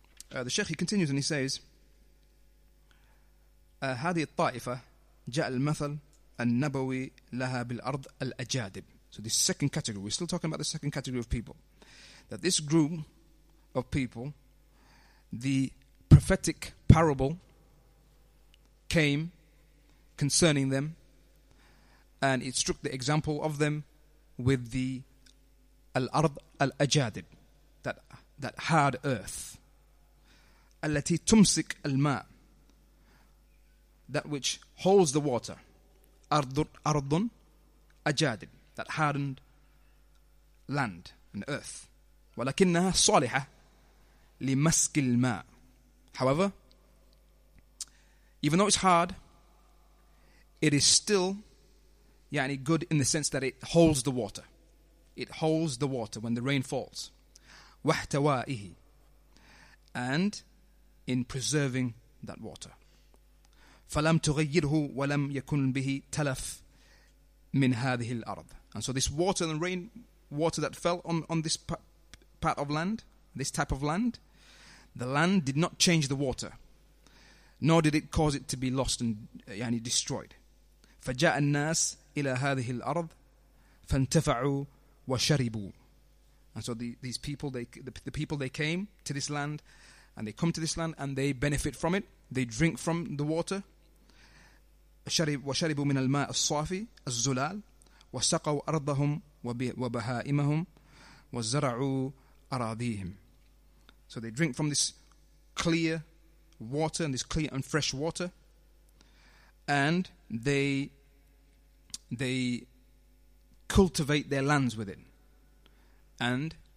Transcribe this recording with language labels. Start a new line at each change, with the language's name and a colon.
English: The Sheikh, he continues and he says,
Arabic: هذه الطائفة جاء المثل النبوي لها بالأرض الأجادب.
English: So this second category, we're still talking about the second category of people. That this group of people, the prophetic parable came concerning them, and it struck the example of them with the al-ard al-ajadib, that hard earth.
Arabic: التي تمسك الماء,
English: that which holds the water.
Arabic: أرض أجادب,
English: that hardened land and earth.
Arabic: ولكنها صالحة لمسك الماء.
English: However, even though it's hard, it is still يعني good in the sense that it holds the water. It holds the water when the rain falls. واحتوائه, and in preserving that water.
Arabic: فلم تغيره ولم يكن به تلف من هذه الأرض.
English: And so this water and rain water that fell on this part of land, this type of land, the land did not change the water, nor did it cause it to be lost and yani destroyed.
Arabic: فجاء الناس إلى هذه الأرض فانتفعوا وشربوا.
English: And so the people came to this land, and they come to this land and they benefit from it. They drink from the water.
Arabic: وشربوا من الماء الصافي الزلال. وسقوا أرضهم وبهائمهم وزرعوا أراضيهم.
English: So they drink from this clear water and this clear and fresh water, and they cultivate their lands with it, and